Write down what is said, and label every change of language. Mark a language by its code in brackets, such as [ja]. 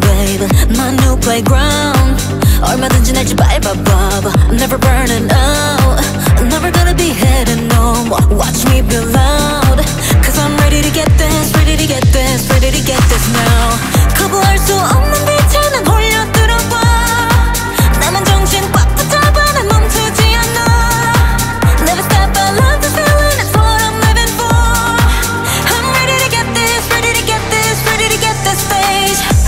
[ko] 아직 아닌 [en] rhythm [ko] 속은 [en] wave, my new playground. [ko] 얼마든지 날 짓밟아봐. [en] I'm never burning out. I'm never gonna be hidden no more. Watch me be loud. Cause I'm ready to get this, ready to get this, ready to get this now. [ko] 거부할 수 없는 빛에 난 홀려들어봐. 나만 정신 꽉 붙잡아 난 멈추지 않아. [en] Never stop, I love this feeling. That's what I'm living for. I'm ready to get this, ready to get this, ready to get this stage.